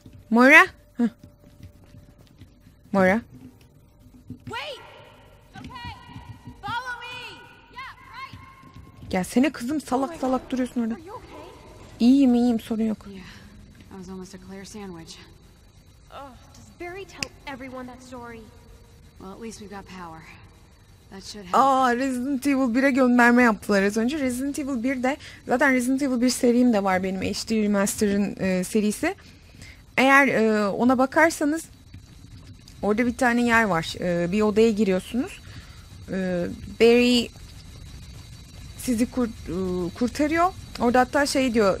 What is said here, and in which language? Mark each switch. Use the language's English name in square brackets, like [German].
[English] Moira? Heh. Moira? Wait. Okay. Follow me. Yeah, right. [Turkish] Gelsene kızım salak salak duruyorsun orada. İyiyim iyiyim sorun yok. [English] Yeah. I was almost a Claire sandwich. Oh, does Barry tell everyone that story? Well, at least we've got power. [Turkish] Aa Resident Evil 1'e gönderme yaptılar az önce. Resident Evil 1'de zaten Resident Evil 1 serim de var benim HD Remaster'ın serisi. Eğer ona bakarsanız orada bir tane yer var. Bir odaya giriyorsunuz. Barry sizi kurtarıyor. Orada hatta şey diyor.